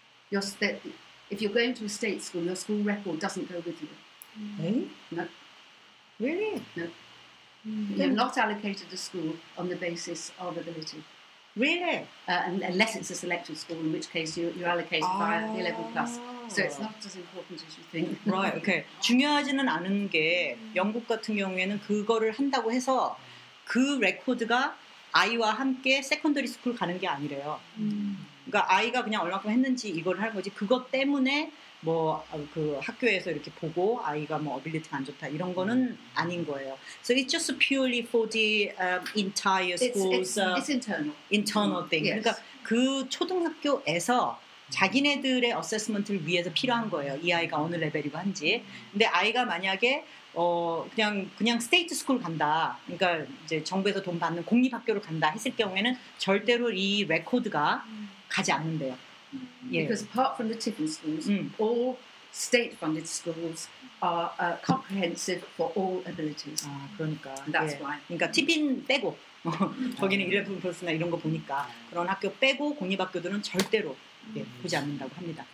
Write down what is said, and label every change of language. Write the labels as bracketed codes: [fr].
[en] If you're going to a state school, your school record doesn't go with you. No. Really? No. You're not allocated a school on the basis of ability. Really? Unless it's a selective school, in which case you're allocated by the 11 plus. So it's not as important as you think. Right, okay. [ko] 중요하지는 않은 게 영국 같은 경우에는 그거를 한다고 해서 그 레코드가 아이와 함께 세컨더리 스쿨 가는 게 아니래요. 그러니까 아이가 그냥 얼마큼 했는지 이걸 할 거지 그것 때문에 뭐 그 학교에서 이렇게 보고 아이가 뭐 어빌리티가 안 좋다 이런 거는 아닌 거예요. [en] So it's just purely for the entire school's it's internal thing. Yes. [ko] 그러니까 그 초등학교에서 자기네들의 어세스먼트를 위해서 필요한 거예요. 이 아이가 어느 레벨이고 한지. 근데 아이가 만약에 그냥 스테이트 스쿨 간다. 그러니까 이제 정부에서 돈 받는 공립 학교를 간다 했을 경우에는 절대로 이 레코드가 가지 않는데요. [en] Yeah. Because apart from the Tiffin schools, all state-funded schools are comprehensive for all abilities. [ko] 아, 그러니까. [en] And that's why. [ko] 그러니까 티핀 빼고 거기는 11 플러스나 이런 거 보니까 그런 학교 빼고 공립학교들은 절대로 보지 않는다고 합니다.